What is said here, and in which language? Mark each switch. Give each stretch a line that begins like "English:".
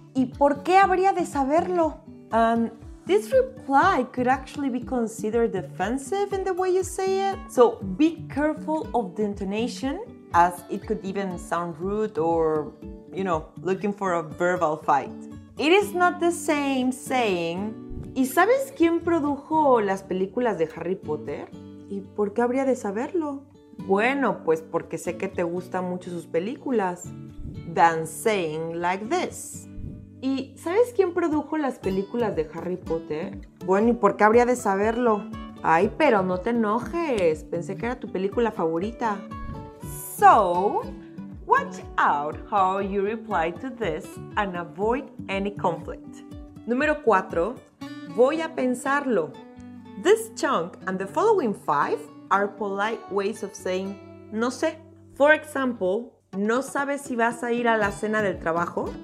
Spanish: ¿Y por qué habría de saberlo?
English: This reply could actually be considered offensive in the way you say it. So be careful of the intonation, as it could even sound rude or, you know, looking for a verbal fight. It is not the same saying,
Spanish: ¿y sabes quién produjo las películas de Harry Potter? ¿Y por qué habría de saberlo? Bueno, pues porque sé que te gustan mucho sus películas.
English: Than saying like this.
Spanish: ¿Y sabes quién produjo las películas de Harry Potter? Bueno, ¿y por qué habría de saberlo? Ay, pero no te enojes. Pensé que era tu película favorita.
English: So, watch out how you reply to this and avoid any conflict.
Spanish: Número 4. Voy a pensarlo.
English: This chunk and the following 5 are polite ways of saying
Spanish: no sé.
English: For example,
Spanish: ¿no sabes si vas a ir a la cena del trabajo?